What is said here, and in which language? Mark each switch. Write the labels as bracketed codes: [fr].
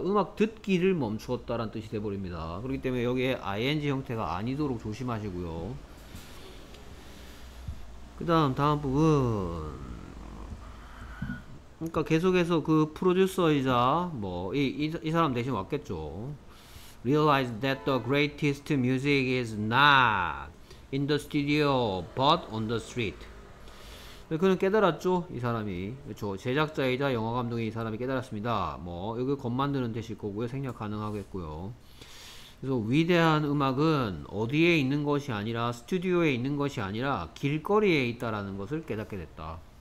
[ko] 음악 듣기를 멈추었다 라는 뜻이 되어버립니다. 그렇기 때문에 여기에 ing 형태가 아니도록 조심하시고요. 그 다음 부분 그러니까 계속해서 그 프로듀서이자 뭐 이 사람 대신 왔겠죠. [en] Realize that the greatest music is not in the studio but on the street. [ko] 그는 깨달았죠. 이 사람이 그렇죠. 제작자이자 영화 감독인 이 사람이 깨달았습니다. 뭐 여기 겉 만드는 되실 거고요. 생략 가능하겠고요. 그래서 위대한 음악은 어디에 있는 것이 아니라 스튜디오에 있는 것이 아니라 길거리에 있다라는 것을 깨닫게 됐다.